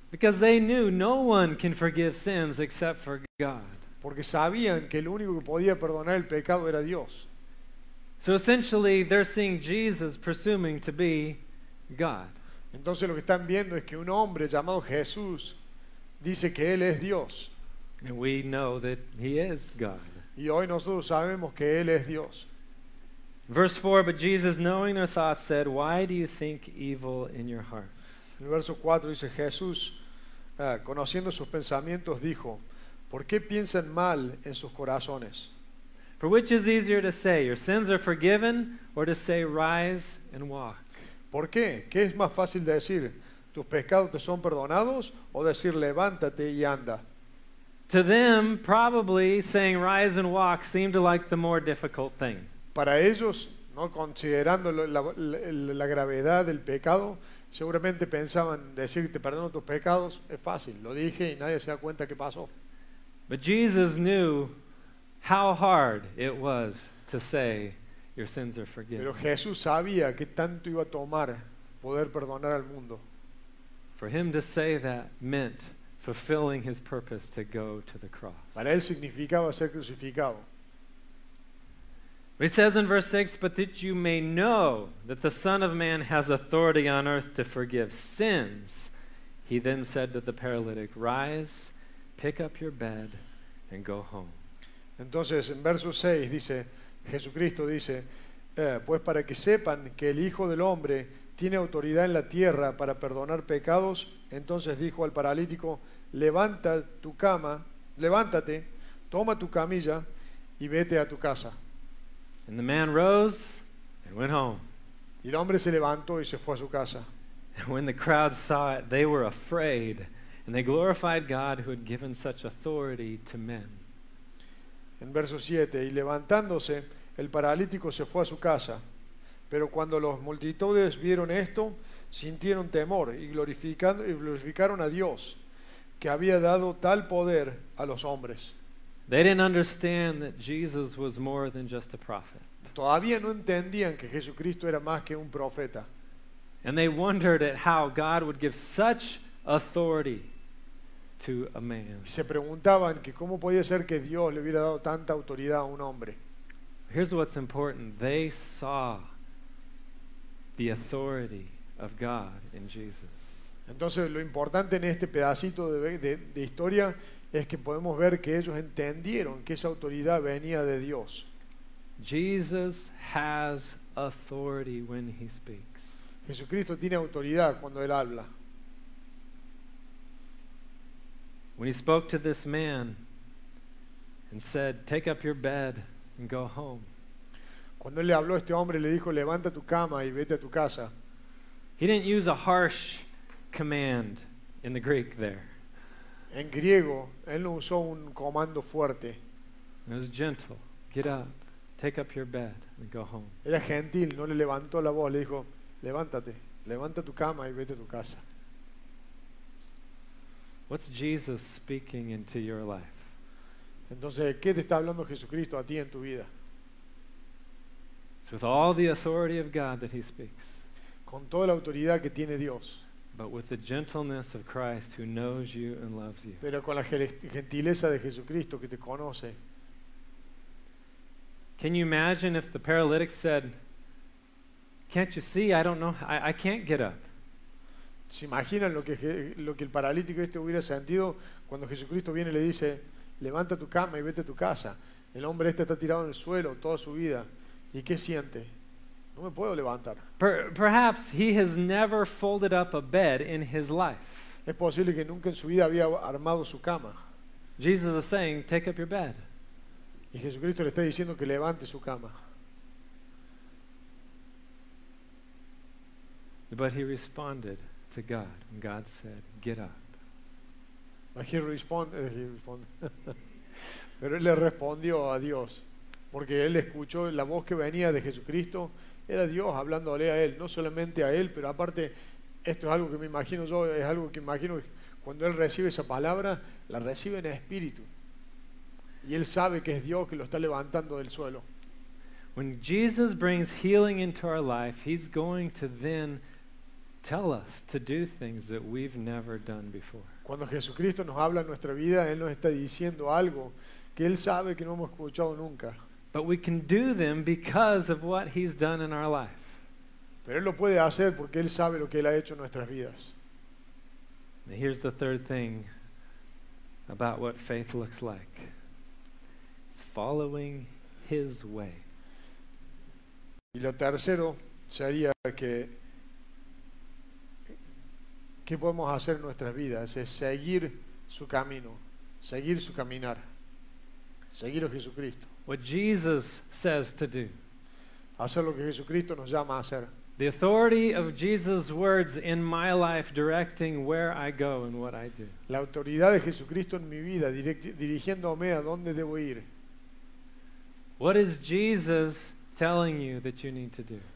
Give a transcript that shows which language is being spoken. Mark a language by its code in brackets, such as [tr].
[en] Because they knew no one can forgive sins except for God. [es] Porque sabían que el único que podía perdonar el pecado era Dios. [en] So essentially, they're seeing Jesus presuming to be God. [es] Entonces lo que están viendo es que un hombre llamado Jesús dice que él es Dios. [en] And we know that he is God. [es] Y hoy nosotros sabemos que él es Dios. [en] Verse 4, but Jesus, knowing their thoughts, said, why do you think evil in your hearts? [es] En el verso 4 dice, Jesús, conociendo sus pensamientos, dijo, ¿por qué piensan mal en sus corazones? [en] For which is easier to say, your sins are forgiven, or to say, rise and walk? [es] ¿Por qué? ¿Qué es más fácil decir, tus pecados te son perdonados, o decir, levántate y anda? [en] To them, probably, saying, rise and walk, seemed like the more difficult thing. [es] Para ellos, no considerando la gravedad del pecado, seguramente pensaban decir te perdono tus pecados es fácil. Lo dije y nadie se da cuenta qué pasó. [en] But Jesus knew how hard it was to say your sins are forgiven. [es] Pero Jesús sabía qué tanto iba a tomar poder perdonar al mundo. [en] For him to say that meant fulfilling his purpose to go to the cross. [es] Para él significaba ser crucificado. [en] It says in verse 6, but that you may know that the Son of Man has authority on earth to forgive sins. He then said to the paralytic, rise, pick up your bed, and go home. [es] Entonces, en verso 6, dice, Jesucristo dice, pues para que sepan que el Hijo del Hombre tiene autoridad en la tierra para perdonar pecados, entonces dijo al paralítico, levanta tu cama, levántate, toma tu camilla, y vete a tu casa. [en] And the man rose and went home. [es] Y el hombre se levantó y se fue a su casa. [en] And when the crowd saw it, they were afraid, and they glorified God who had given such authority to men. [es] En verso 7, y levantándose, el paralítico se fue a su casa. Pero cuando las multitudes vieron esto, sintieron temor y glorificaron a Dios, que había dado tal poder a los hombres. [en] They didn't understand that Jesus was more than just a prophet. [es] Todavía no entendían que Jesucristo era más que un profeta. [en] And they wondered at how God would give such authority to a man. [es] Se preguntaban que cómo podía ser que Dios le hubiera dado tanta autoridad a un hombre. [en] Here's what's important. They saw the authority of God in Jesus. [es] Entonces, lo importante en este pedacito de historia es que podemos ver que ellos entendieron que esa autoridad venía de Dios. [en] Jesus has authority when he speaks. [es] Jesucristo tiene autoridad cuando él habla. [en] When he spoke to this man and said, "Take up your bed and go home." [es] Cuando él le habló a este hombre, le dijo, "Levanta tu cama y vete a tu casa." [en] He didn't use a harsh command in the Greek there. [es] En griego, él no usó un comando fuerte. [en] It was gentle. Get up, take up your bed, and go home. [es] Era gentil, no le levantó la voz, le dijo, levántate, levanta tu cama y vete a tu casa. [en] What's Jesus speaking into your life? [es] Entonces, ¿qué te está hablando Jesucristo a ti en tu vida? [en] It's with all the authority of God that he speaks. [es] Con toda la autoridad que tiene Dios. [en] But with the gentleness of Christ who knows you and loves you. [es] Pero con la gentileza de Jesucristo que te conoce. [en] Can you imagine if the paralytic said, "Can't you see? I don't know. I can't get up." [es] ¿Se imaginan lo que el paralítico este hubiera sentido cuando Jesucristo viene y le dice, "Levanta tu cama y vete a tu casa"? El hombre este está tirado en el suelo toda su vida. ¿Y qué siente? No me puedo levantar. [en] Perhaps he has never folded up a bed in his life. [es] Es posible que nunca en su vida había armado su cama. [en] Jesus is saying, "Take up your bed." [es] Y Jesucristo le está diciendo que levante su cama. [en] But he responded to God, and God said, "Get up." But he responded. [es] Pero él le respondió a Dios, porque él escuchó la voz que venía de Jesucristo. Era Dios hablándole a él, no solamente a él, pero aparte, esto es algo que me imagino yo, es algo que imagino que cuando él recibe esa palabra, la recibe en espíritu. Y él sabe que es Dios que lo está levantando del suelo. [en] When Jesus brings healing into our life, he's going to then tell us to do things that we've never done before. [es] Cuando Jesucristo nos habla en nuestra vida, él nos está diciendo algo que él sabe que no hemos escuchado nunca. [en] But we can do them because of what he's done in our life. [es] Pero él lo puede hacer porque él sabe lo que él ha hecho en nuestras vidas. [en] And here's the third thing about what faith looks like. It's following his way. [es] Y lo tercero sería que podemos hacer en nuestras vidas es seguir su camino, seguir su caminar. Seguir a Jesucristo. [en] What Jesus says to do. [es] Hacer lo que Jesucristo nos llama a hacer. [en] The authority of Jesus' words in my life directing where I go and what I do. [es] La autoridad de Jesucristo en mi vida dirigiéndome a dónde debo ir. [en] What is Jesus telling you that you need to do?